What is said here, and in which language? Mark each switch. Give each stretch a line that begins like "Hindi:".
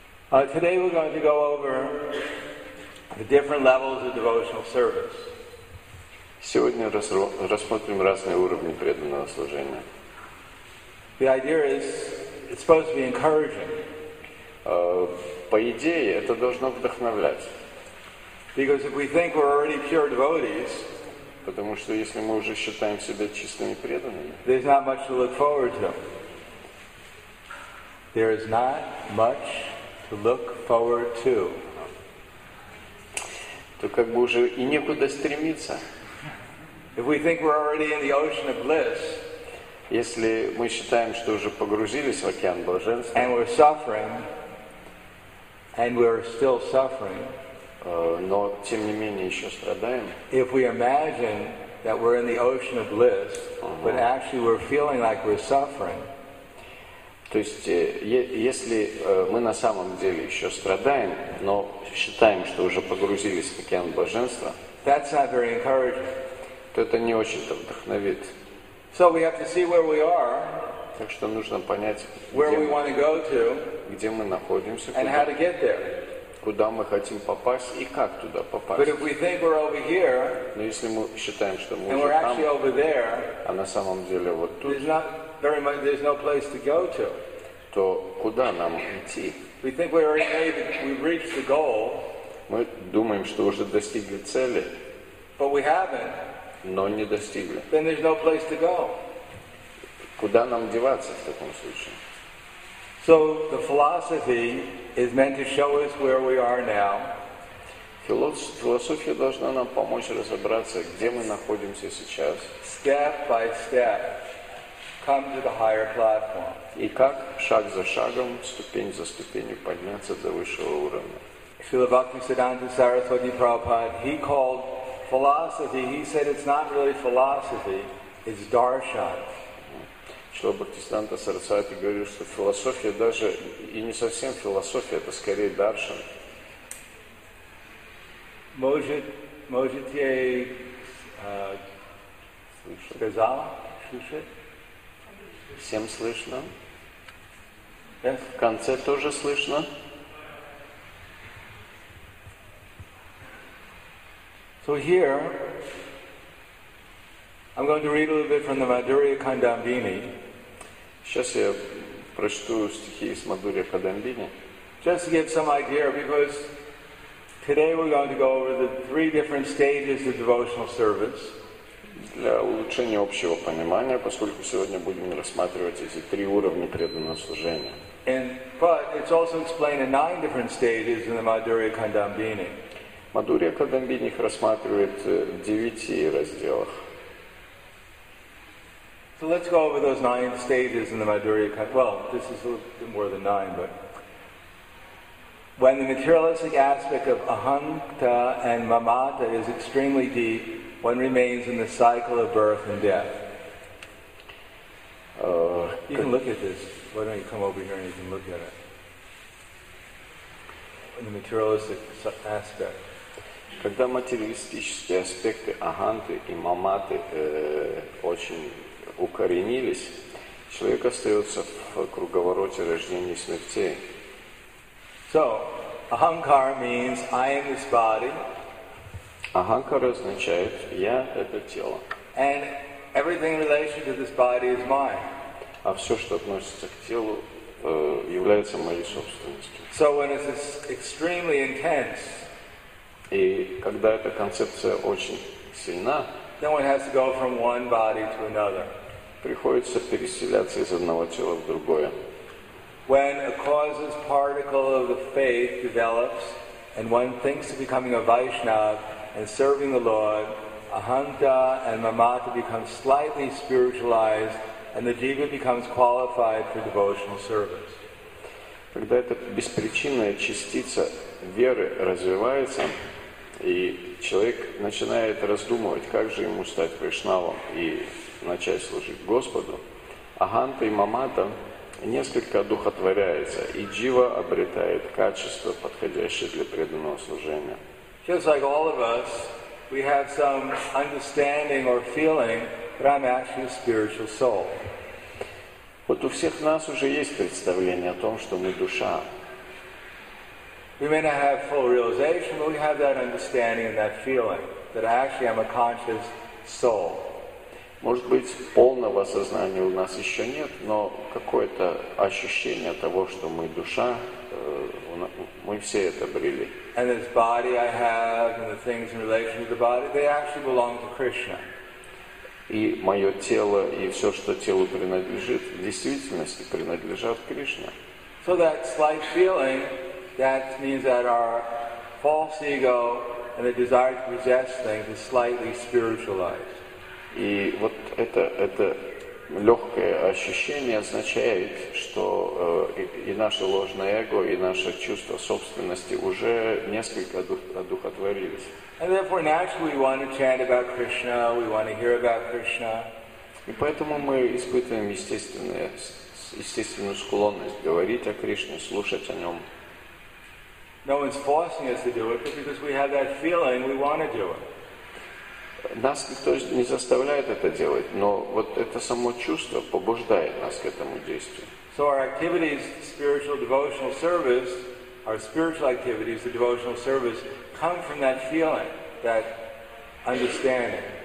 English: Today we're going to go over the different levels of devotional service.
Russian: Сегодня рассмотрим разные уровни преданного служения.
English: The idea is it's supposed to be encouraging.
Russian: По идее, это должно вдохновлять.
English: Because if we think we're already pure devotees,
Russian: потому что если мы уже считаем себя чистыми преданными,
English: there's not much to look forward to. There is not much to look forward to.
Russian: То как бы уже и некуда стремиться.
English: If we think we're already in the ocean of bliss,
Russian: если мы считаем, что уже погрузились в океан блаженства,
English: and we're suffering, and we're still suffering,
Russian: но тем не менее еще страдаем.
English: If we imagine that we're in the ocean of bliss, but actually we're feeling like we're suffering,
Russian: то есть если мы на самом деле еще страдаем, но считаем, что уже погрузились в океан блаженства,
English: that's not very encouraging.
Russian: То это не очень-то вдохновит.
English: So we have to see where we are.
Russian: Так что нужно понять,
English: where we want to go to,
Russian: где мы находимся,
English: and how to get there.
Russian: Куда мы хотим попасть и как туда попасть.
English: But if we think we're over here,
Russian: но если мы считаем, что мы
English: and
Russian: уже
English: we're
Russian: там,
English: actually over there,
Russian: а на самом деле вот тут,
English: there's not very much, there's no place to go to.
Russian: То куда нам идти?
English: We think we already made, we've reached the goal.
Russian: Мы думаем, что уже достигли цели.
English: But we haven't.
Russian: Но не достигли.
English: Then there's no place to go.
Russian: Куда нам деваться в таком случае?
English: So the philosophy is meant to show us where we are now.
Russian: Философия должна нам помочь разобраться, где мы находимся сейчас.
English: Step by step, come to the higher platform.
Russian: И как шаг за шагом, ступень за ступенью подняться до высшего уровня.
English: Srila Bhaktisiddhanta Saraswati Prabhupada, he called philosophy, he said it's not really philosophy, it's darshan.
Russian: Шрила Бхактисиддханта Сарасвати говорил, что философия даже и не совсем философия, это скорее даршан. Может я сказал? Всем слышно?
English: Yes.
Russian: В конце тоже слышно?
English: So here I'm going to read a little bit from the Madhurya Kandambini.
Russian: Сейчас я прочту стихи из Мадхурья Кадамбини.
English: Just to give some idea, because today we're going to go over the three different stages of devotional service.
Russian: Для улучшения общего понимания, поскольку сегодня будем рассматривать эти три уровня преданного служения.
English: But it's also explained in 9 different stages in the Madhurya Kandambini.
Russian: Мадхурья Кадамбини их рассматривает в 9 разделах.
English: So let's go over those 9 stages in the Madhurya Kandambini. Well, this is a little bit more than 9, but when the materialistic aspect of ahankta and mamata is extremely deep, one remains in the cycle of birth and death. You can look at this. Why don't you come over here and you can look at it? In the materialistic aspect.
Russian: Когда материалистические аспекты аханты и маматы очень укоренились, человек остается в круговороте рождения и смерти.
English: So, ahankar means I am this body.
Russian: Ahankara означает я это тело.
English: And everything in relation to this body is mine.
Russian: А все, что относится к телу, является моей собственностью.
English: So when it's extremely intense.
Russian: И когда эта концепция очень сильна.
English: Then one has to go from one body to another.
Russian: Приходится переселяться из одного тела в другое.
English: When a causes particle of the faith develops, and one thinks of becoming a Vaishnava and serving the Lord, ahanta and mamata become slightly spiritualized, and the jiva becomes qualified for devotional service.
Russian: Когда эта беспричинная частица веры развивается, и человек начинает раздумывать, как же ему стать Вайшнавом и начать служить Господу, аханта и мамата несколько одухотворяются, и джива обретает качество, подходящее для преданного служения.
English: Just like all of us, we have some understanding or feeling that I'm actually a spiritual soul.
Russian: Вот у всех нас уже есть представление о том, что мы душа.
English: We may not have full realization, but we have that understanding and that feeling that actually I'm a conscious soul.
Russian: Может быть, полного сознания у нас еще нет, но какое-то ощущение того, что мы душа, мы все это обрели.
English: And this body I have and the things in relation to the body, they actually belong to Krishna.
Russian: И мое тело, и все, что телу принадлежит, в действительности принадлежат Кришне.
English: So that slight feeling, that means that our false ego and the desire to possess things is slightly spiritualized.
Russian: И вот это легкое ощущение означает, что и наше ложное эго, и наше чувство собственности уже несколько одухотворились.
English: And therefore, naturally, we want to chant about Krishna, we want to hear about Krishna.
Russian: И поэтому мы испытываем естественную склонность говорить о Кришне, слушать о нем.
English: No one's forcing us to do it, but because we have that feeling, we want to do it.
Russian: Нас никто не заставляет это делать, но вот это само чувство побуждает нас к этому действию.
English: So our activities, spiritual devotional service, our spiritual activities, the devotional service, come from that feeling, that understanding.